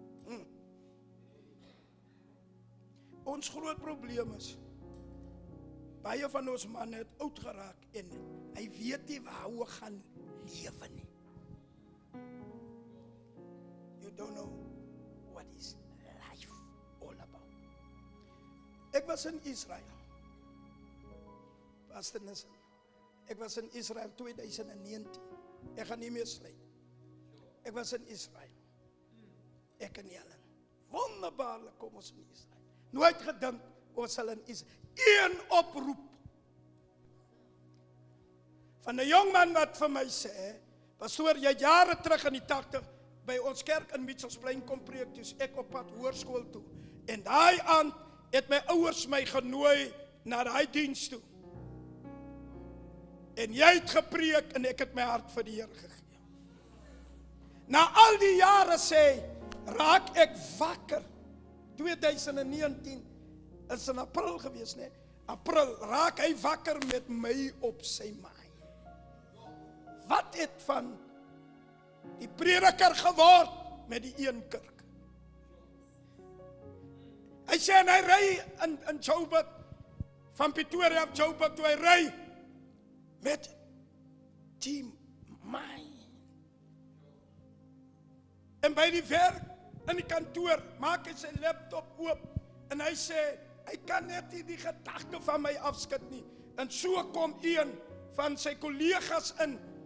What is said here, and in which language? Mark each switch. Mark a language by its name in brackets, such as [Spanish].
[Afrikaans] Hm. ons groot probleem is, baie van ons manne het oud geraak en hy weet nie waar hy gaan lewe nie. [English] You don't know what is life all about. [Afrikaans] Ek was in Israel. Pastor Nissen, ek was in Israel 2019. Ek gaan nie meer sluit. Ek was in Israel. Ek en Helen. Wonderbaarlik kom ons in Israel. Nooit gedink ons sal in Israel. Een oproep. Van een jongman wat vir my sê, pastoor, jy jare terug in die 80, by ons kerk in Mitchellsplein kom preek, dus ek op pad hoërskool toe. En daai aand het my ouers my genooi na daai diens toe. En jy het gepreek en ek het my hart vir die Here gegee. Na al die jare sê, raak ek wakker. 2019 is in April gewees, nee. April, raak hy wakker met my op sy maai. Wat het van die prediker geword met die een kerk? Hy sê, en hy ry in Joburg, van Pretoria op Joburg, toe hy ry met team my. En by die werk in die kantoor, maak hy sy laptop oop, en hy sê, hy kan net nie die gedagte van my afskud nie, en so kom een van sy collega's in.